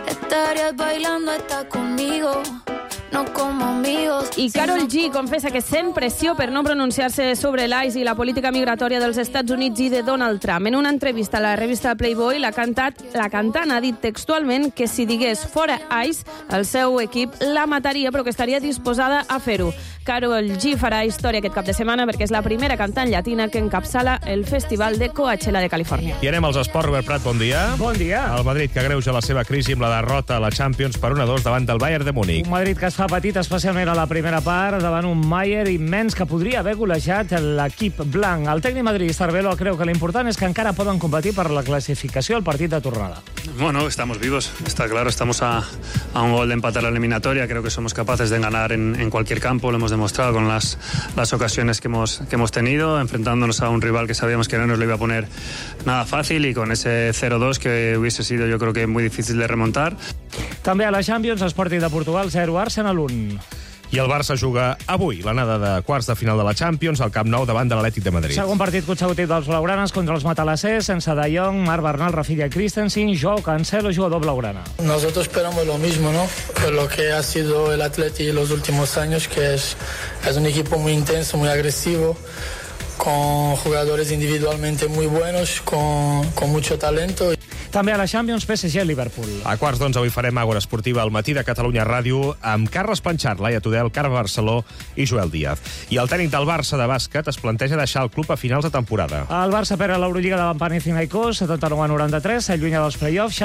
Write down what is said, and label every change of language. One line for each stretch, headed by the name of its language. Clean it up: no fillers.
Spanish: Estarías bailando hasta conmigo, no como amigos.
Catalan: I Carol G confessa que sent pressió per no pronunciar-se sobre l'ICE i la política migratòria dels Estats Units i de Donald Trump. En una entrevista a la revista Playboy, la cantant ha dit textualment que si digués fora ICE, el seu equip la mataria, però que estaria disposada a fer-ho. Carol G farà història aquest cap de setmana perquè és la primera cantant llatina que encapçala el festival de Coachella de Califòrnia. I anem als esports. Robert Prat, bon dia. Bon dia. El Madrid que agreuja la seva crisi amb la derrota a la Champions per 1-2 davant del Bayern de Múnich. Un Madrid que es fa petit, especialment a la primera part, davant un Bayern immens que podria haver golejat l'equip blanc. El tècnic Madrid, Cervelo, creu que l'important és que encara poden competir per la classificació al partit de tornada.
Spanish: Bueno, estamos vivos, está claro. Estamos a un gol de empatar la eliminatoria. Creo que somos capaces de ganar en cualquier campo. Lo hemos demostrado con las ocasiones que hemos tenido, enfrentándonos a un rival que sabíamos que no nos lo iba a poner nada fácil y con ese 0-2 que hubiese sido, yo creo que, muy difícil de remontar.
Catalan: També a la Champions, Sporting de Portugal 0, Arsenal 1. I el Barça juga avui l'anada de quarts de final de la Champions al Camp Nou davant de l'Atlètic de Madrid. Segon partit consecutiu dels blaugranes contra els matalassers, sense De Jong, Marc Bernal, Rafinha, Christensen, Joao Cancelo, jugador blaugrana.
Spanish: Nosotros esperamos lo mismo, ¿no? Lo que ha sido el Atleti los últimos años, que es un equipo muy intenso, muy agresivo, con jugadores individualmente muy buenos, con mucho talento.
Catalan: També a la Champions, PSG i Liverpool. A quarts d'11 avui farem Àgora Esportiva al matí de Catalunya Ràdio amb Carles Panxar, Laia Tudel, Carme Barceló i Joel Díaz. I el tècnic del Barça de bàsquet es planteja deixar el club a finals de temporada. El Barça perd a l'Eurolliga de Panathinaikos, 79-93, s'allunya dels play-offs.